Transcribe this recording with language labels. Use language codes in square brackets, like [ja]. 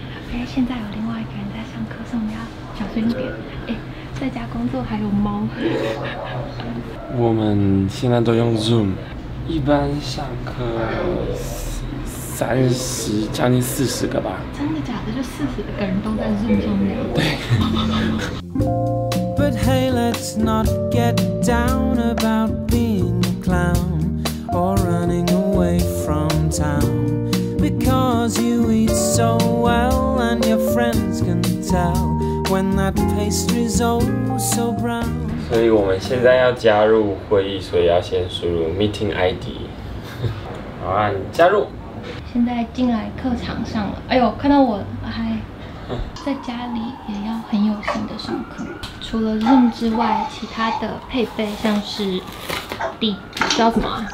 [zh] OK， 现在有另外一个人在上课，所以我们要小心一点。在家工作还有猫。我们现在都用 Zoom。一般上课三十将近四十个吧。真的假的？就四十个人都在 Zoom 上面？对。 [en] But hey, let's not get down about being a clown or running away from town because you eat so well and your friends can tell when that pastry's oh so brown。 [zh] 所以我们现在要加入会议，所以要先输入 meeting ID。好啊，你加入。现在进来课场上了。哎呦，看到我还在家里也要很有心的上课。除了 Zoom 之外，其他的配备像是地叫什么？